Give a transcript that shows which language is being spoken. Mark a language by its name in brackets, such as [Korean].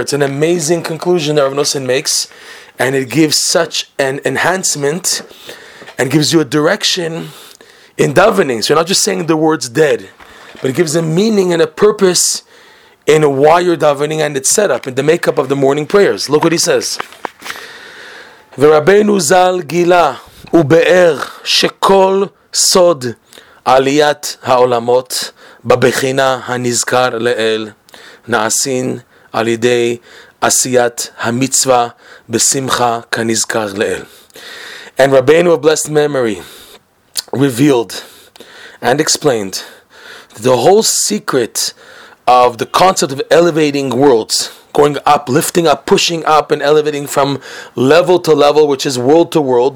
[English] It's an amazing conclusion that Rav Nosson makes. And it gives such an enhancement and gives you a direction in davening. So you're not just saying the words dead, but it gives a meaning and a purpose in why you're davening and its setup and the makeup of the morning prayers. Look what he says. [Hebrew] ורבנו זל גילה ובאר שכל סוד עליית העולמות בבחינה הנזכר לאל נעשין על ידי עשיית המצווה בשמחה כנזכר לאל. [English] And רבנו of blessed memory revealed and explained that the whole secret of the concept of elevating worlds, going up, lifting up, pushing up, and elevating from level to level, which is world to world.